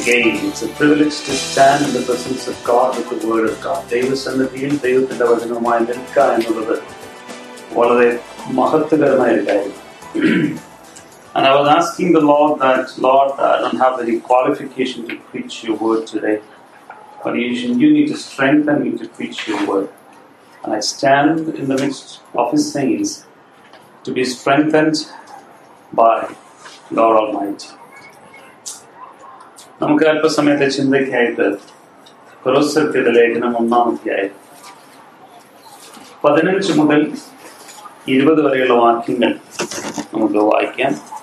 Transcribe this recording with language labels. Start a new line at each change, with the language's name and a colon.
English: Again, it's a privilege to stand in the presence of God with the Word of God.
Malayalam: ദൈവസന്നിധിയും ദൈവത്തിന്റെ വചനവുമായി നിൽക്കുക എന്നുള്ളത് വളരെ മഹത്വകരമായ ഒരു കാര്യം.
English: And I was asking the Lord that, Lord, I don't have any qualification to preach your word today. But you need to strengthen me to preach your word. And I stand in the midst of his saints to be strengthened by God Almighty.
Malayalam: നമുക്ക് അല്പസമയത്തെ ചിന്തയ്ക്കായിട്ട് കൊലോസ്യർക്കെതിരായ ലേഖനം ഒന്നാമത്തെ 15 മുതൽ 20 വരെയുള്ള വാക്യങ്ങൾ നമുക്ക് വായിക്കാം.